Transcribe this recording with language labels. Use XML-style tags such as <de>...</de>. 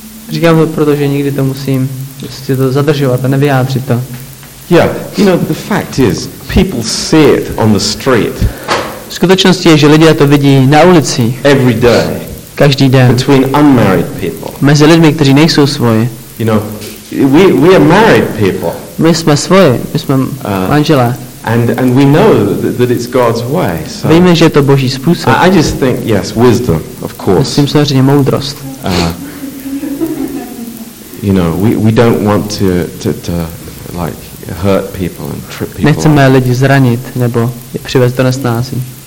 <cs>Říkám to, protože nikdy to musím prostě to zadržovat a nevyjádřit to.</cs> <en>Yeah, you know, the fact is, people see it on the street.</en> <cs>Skutečnost je, že lidé to vidí na ulicích.</cs> <en>Every day.</en> <cs>Každý den.</cs> <en>Between unmarried people.</en> <cs>Mezi lidmi, kteří nejsou svoji.</cs> <en>You know, we are married people.</en> <cs>My jsme svoji, my jsme manželé.</cs> <en>And we know that it's God's way. So.</en> <cs>Víme, že je to Boží způsob.</cs> <en>I just think, yes, wisdom, of course.</en> <cs>Myslím samozřejmě moudrost.</cs> <en>You know, we don't want to like hurt people and trip people.</en> <cs>Nechceme lidi zranit nebo je přivést do nesnází.</cs>